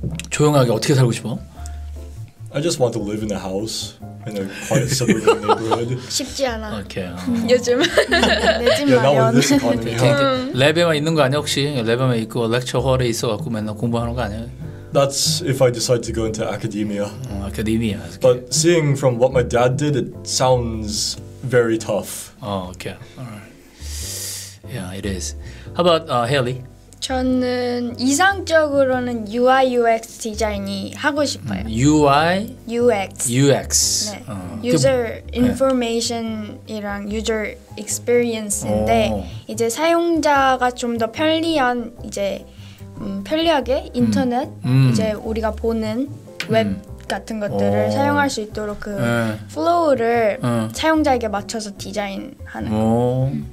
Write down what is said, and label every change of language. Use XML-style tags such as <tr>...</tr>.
<ko>조용하게 어떻게 살고 싶어?</ko> <en>I just want to live in a house in a quiet suburban neighborhood.</en> <ko>쉽지 않아. 오케이. 요즘 내 집 마련. 랩에만 있는 거 아니야 혹시? 랩에만 있고 렉처 홀에 있어 갖고 맨날 공부하는 거 아니야?</ko> <en>That's if I decide to go into academia. Academia. Okay. But seeing from what my dad did, it sounds very tough. Oh, okay. Alright. Yeah, it is. How about Haley?</en> <ko>저는 이상적으로는 UI UX 디자인이 하고 싶어요.</ko> <en>UI UX UX</en> <ko>네. 유저 인포메이션이랑 유저 익스피리언스인데 이제 사용자가 좀 더 편리한 이제 편리하게 인터넷 이제 우리가 보는 웹 같은 것들을 사용할 수 있도록 그 플로우를 사용자에게 맞춰서 디자인하는 거.</ko>